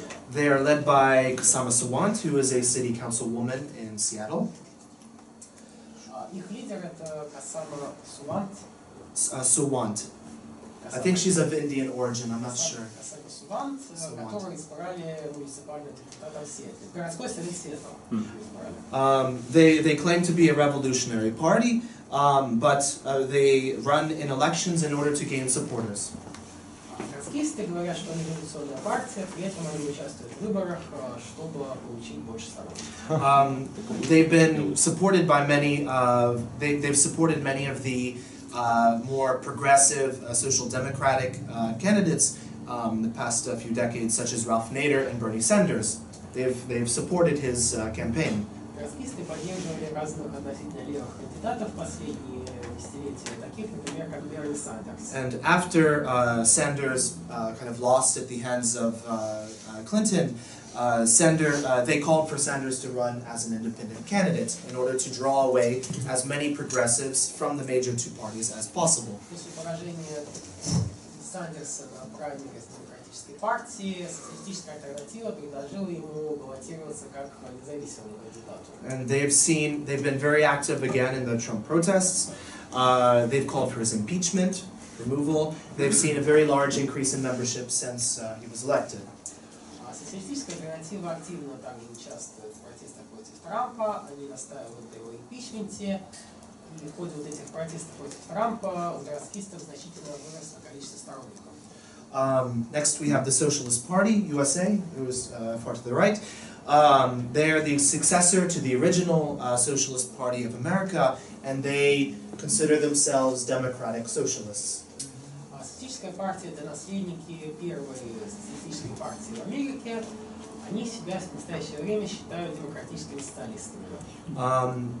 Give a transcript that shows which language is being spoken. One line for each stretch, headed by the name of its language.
English: They are led by Kusama Sawant, who is a city councilwoman in Seattle.
Russian: Их лидер – это Касама Сувант. Сувант.
English: I think she's of Indian origin, I'm not sure.
Russian: Касама Сувант, которого избрали муниципальный депутат в Сиэтле. Городской совет Сиэтла.
English: They claim to be a revolutionary party, but they run in elections in order to gain supporters.
Russian: Городскисты говорят, что они революционная партия, при этом они участвуют в выборах, чтобы получить больше сторон.
English: They've been supported by many, they've supported many of the more progressive social democratic candidates in the past few decades, such as Ralph Nader and Bernie Sanders. They've supported his campaign.
Russian: Городскисты поддерживали разных относительно левых кандидатов в последние десятилетия, таких, например, как Берни Сандерс.
English: And after Sanders kind of lost at the hands of Clinton, they called for Sanders to run as an independent candidate in order to draw away as many progressives from the major two parties as possible.
Russian: После поражения Сандерса на праймерис Демократической партии, социалистическая альтернатива предложила ему баллотироваться как независимому кандидату.
English: And they've been very active again in the Trump protests. They've called for his impeachment, removal. They've seen a very large increase in membership since he was elected.
Russian: Социалистическая альтернатива активно также участвует в протестах против Трампа, они настаивают на его импичменте, и в ходе вот этих протестов против Трампа у троцкистов значительно выросло количество сторонников.
English: Next we have the Socialist Party, USA, who is far to the right. They are the successor to the original Socialist Party of America, and they consider themselves democratic socialists.
Russian: Социалистическая партия – это наследники первой социалистической партии в Америке. Они себя в настоящее время считают демократическими социалистами.